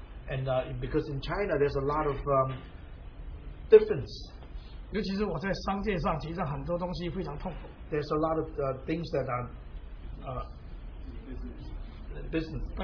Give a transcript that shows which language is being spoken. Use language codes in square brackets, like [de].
[en] And because in China, there's a lot of difference. [zh] 尤其是我在商界上，其实很多东西非常痛苦。 [en] There's a lot of things that are business.